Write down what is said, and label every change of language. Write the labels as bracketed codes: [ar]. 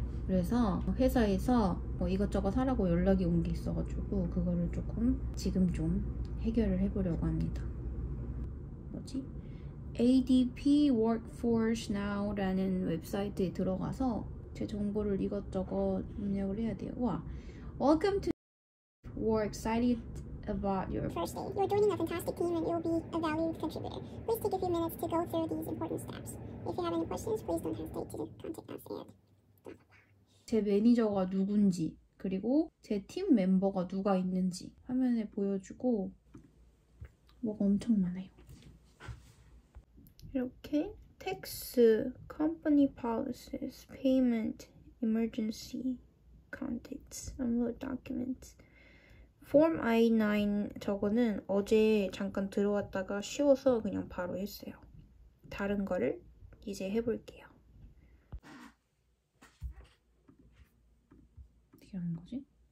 [ko] 그래서 회사에서 뭐 이것저것 하라고 연락이 온게 있어가지고 그거를 조금 지금 좀 해결을 해보려고 합니다. 뭐지? ADP Workforce Now라는 웹사이트에 들어가서 제 정보를 이것저것 입력을 해야 돼요. [en] 와, Welcome to. We're excited about your First day, you're joining a fantastic team and you'll be a valued contributor. Please take a few minutes to go through these important steps. If you have any questions, please don't hesitate to contact us at. [ko] 제 매니저가 누군지, 그리고 제팀 멤버가 누가 있는지 화면에 보여주고, 뭐가 엄청 많아요. [en] 이렇게 tax, company policies, payment, emergency contacts, and other documents. [ko] Form I-9 저거는 어제 잠깐 들어왔다가 쉬워서 그냥 바로 했어요. 다른 거를 이제 해볼게요. 어떻게 하는 거지?